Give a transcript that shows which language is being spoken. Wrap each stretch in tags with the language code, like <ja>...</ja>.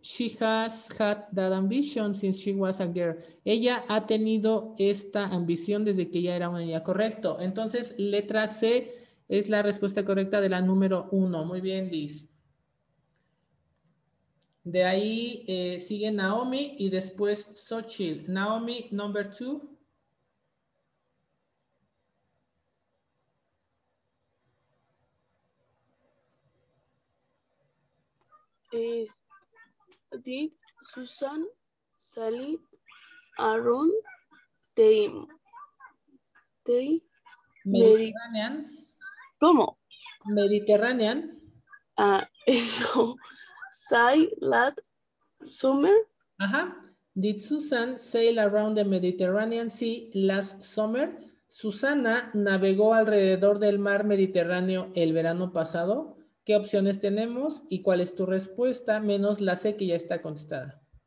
<en>She has had that ambition since she was a girl.</en> <es>Ella ha tenido esta ambición desde que ella era una niña. Correcto. Entonces, letra C es la respuesta correcta de la número 1. Muy bien, Liz. De ahí sigue Naomi y después Xochitl.</es> <en>Naomi, number 2. Is did Susan Sally around the Mediterranean?</en> <es>¿Cómo?</es> <en>Mediterranean.</en> <es>Eso.</es> <en>Say that summer. Ajá. Did Susan sail around the Mediterranean Sea last summer?</en> <es>Susana navegó alrededor del mar Mediterráneo el verano pasado. ¿Qué opciones tenemos y cuál es tu respuesta? Menos la C, que ya está contestada.</es>